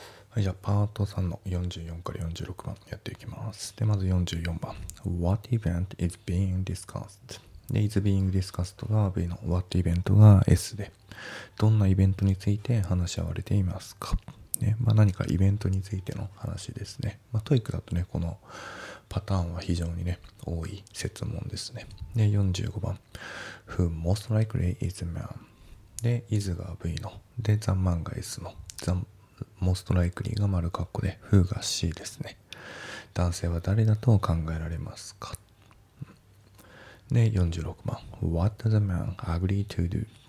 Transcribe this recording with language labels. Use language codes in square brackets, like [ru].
[ja] はい、じゃあパート3の44から46番やっていきます。で、まず44番、 [en] What event is being discussed? [ja] で、 [en] is being discussed [ja] が V の [en] What event [ja] が S で、どんなイベントについて話し合われていますか、ね、まあ、何かイベントについての話ですね。まあ、TOEIC だとね、このパターンは非常にね、多い設問ですね。で、45番、 [en] Who most likely is a man? [ja] で、 is が V ので、 [en] the man [ja] が S の、 [en] themost likely [ja] が丸括弧で、 who が C ですね。男性は誰だと考えられますか。で、46番、 [en] what does the man agree to do?